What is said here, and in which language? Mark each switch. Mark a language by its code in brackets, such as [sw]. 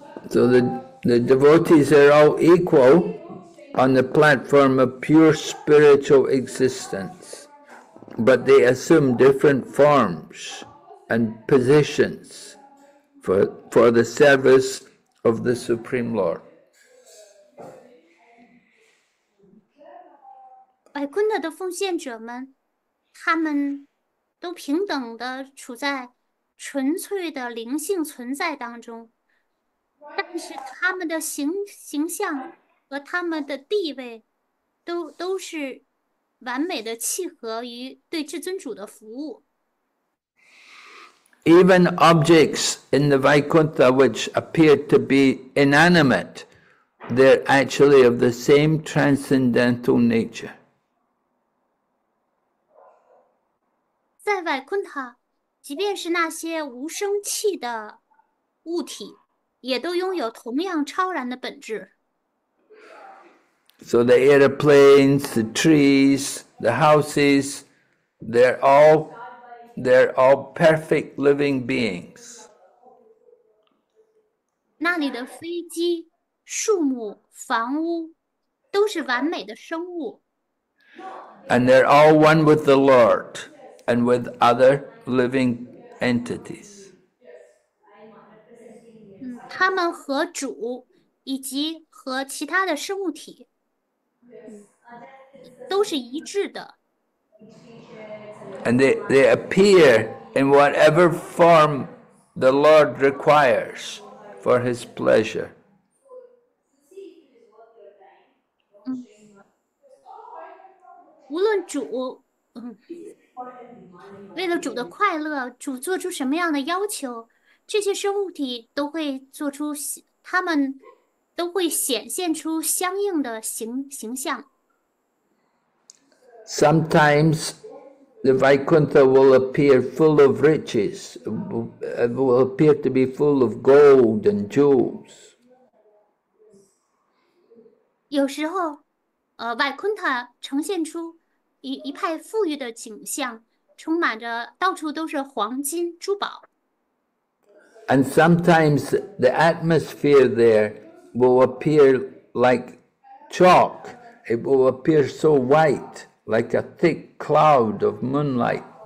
[en] So the devotees are all equal on the platform of pure spiritual existence, but they assume different forms and positions for the service of the Supreme Lord. [zh] Vaikuntha 的奉献者们，他们都平等地处在纯粹的灵性存在当中。但是他们的形象和他们的地位都是完美的契合于对至尊主的服务。 [en] Even objects in the Vaikuntha which appear to be inanimate, they're actually of the same transcendental nature. [zh] 在 Vaikuntha, 即便是那些无生气的物体，也都拥有同样超然的本质。 [en] So the airplanes, the trees, the houses, they're all perfect living beings. [zh] 那里的飞机、树木、房屋都是完美的生物。 [en] And they're all one with the Lord and with other living entities. [zh] 他们和主以及和其他的生物体都是一致的。 [en] And they appear in whatever form the Lord requires for his pleasure. [zh] 无论主，为了主的快乐，主做出什么样的要求，这些生物体都会做出，他们都会显现出相应的形象。 [en] Sometimes the Vaikuntha will appear full of riches, will appear to be full of gold and jewels. [zh] 有时候，Vaikuntha 呈现出一派富裕的景象，充满着到处都是黄金珠宝。 [en] And sometimes the atmosphere there will appear like chalk. It will appear so white, like a thick cloud of moonlight.